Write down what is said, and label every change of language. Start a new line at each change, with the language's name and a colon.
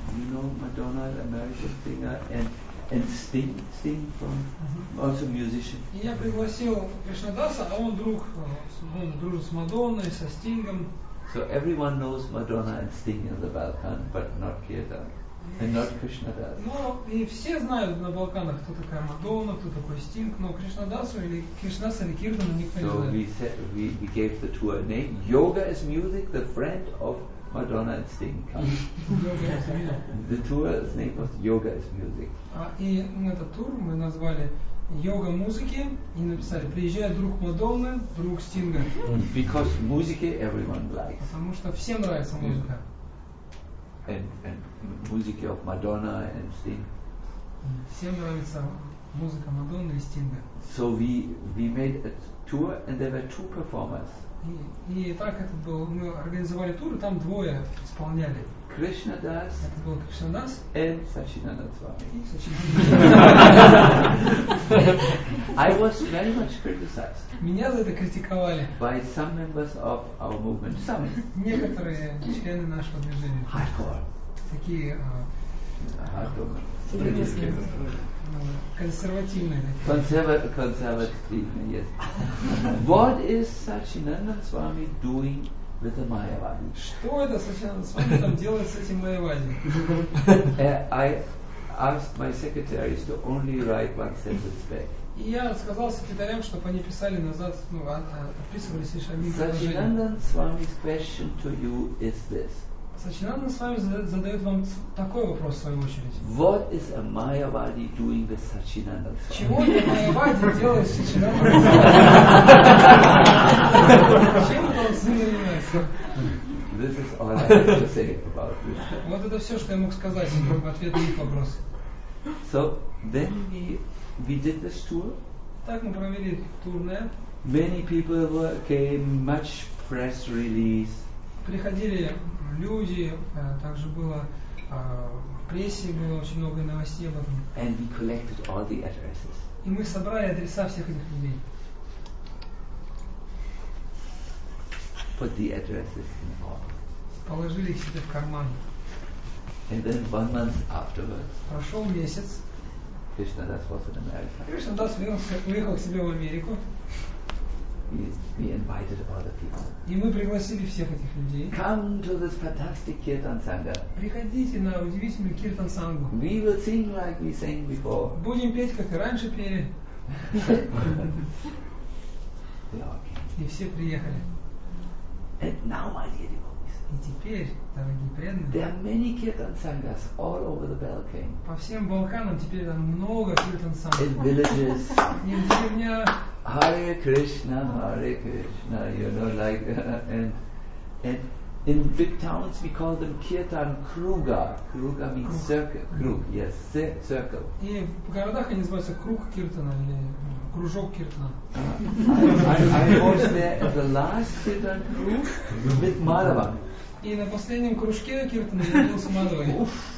English: You know Madonna, the American singer, and Sting from also musician.
Russian: Я пригласил Кришнадаса, а он друг, он дружит с Мадонной, со Стингом.
English: So everyone knows Madonna and Sting in the Balkan, but not Kirtan and not Krishnadas.
Russian: Ну и все знают на Балканах, кто такая Мадонна, кто такой Стинг, но Кришнадасу или Кришнадаса или Киртана никто не знает.
English: So we gave the tour a name. Yoga is music, the friend of Madonna and Sting come. The tour's name was Yoga is Music.
Russian: И этот тур мы назвали Йога музыки и написали приезжает друг Мадонны, друг Стинга.
English: Because music everyone likes.
Russian: Потому что всем нравится музыка.
English: And music of Madonna and Sting.
Russian: Всем нравится музыка Мадонны и Стинга.
English: So we made a tour and there were two performers.
Russian: И так это было, мы организовали тур, и там двое исполняли. Кришнадас. Это был Кришнадас. И Сачинанда Свами.
English: I was very much criticized.
Russian: Меня за это критиковали.
English: By some members of our movement. Some.
Russian: Некоторые члены нашего движения.
English: Hardcore.
Russian: Такие.
English: Hardcore.
Russian: Консервативные. Консервативные,
English: yes. What is Sachinanda Swami doing with the Mayavadi?
Russian: Что это Сачинанда Свами там делает с этим Майявади?
English: I asked my secretaries to only write one sentence back.
Russian: И я сказал секретарям, чтобы они писали назад, ну, отписывались лишь одни предложения.
English: Сачинанда Свами's question to you is this.
Russian: Сачинанда Свами задает вам такой вопрос в свою очередь.
English: What is a Mayavadi doing with Sachinanda Swami?
Russian: Чего это Mayavadi делает с Сачинанда Свами? Чем это он занимается?
English: This is all I have to say about this.
Russian: Вот это все, что я мог сказать в ответ на их вопрос.
English: So then we did this tour.
Russian: Так мы провели турне.
English: Many people came, much press release.
Russian: Приходили люди, также было в прессе, было очень много новостей об этом.
English: And we collected all the addresses.
Russian: И мы собрали адреса всех этих людей.
English: Put the addresses in the wallet.
Russian: Положили их себе в карман.
English: And then one month afterwards.
Russian: Прошел месяц.
English: Krishnadas was in America.
Russian: Krishnadas уехал к себе в Америку.
English: we invited other people.
Russian: И мы пригласили всех этих людей.
English: Come to this fantastic kirtan sangha.
Russian: Приходите на удивительную kirtan sangha.
English: We will sing like we sang before.
Russian: Будем петь, как и раньше пели. И все приехали.
English: And now, my dear devotees,
Russian: и теперь, дорогие преданные,
English: there are many kirtan sanghas all over the Balkans.
Russian: По всем Балканам теперь там много kirtan sanghas.
English: In villages.
Russian: И в деревнях.
English: Hare Krishna, Hare Krishna, you know, like and in big towns we call them kirtan kruga. Kruga means circle. Круг, yes, circle.
Russian: И в городах они называются круг киртана или кружок киртана.
English: I was there at the last kirtan круг with Madhava.
Russian: И на последнем кружке киртана я был с Мадхавой.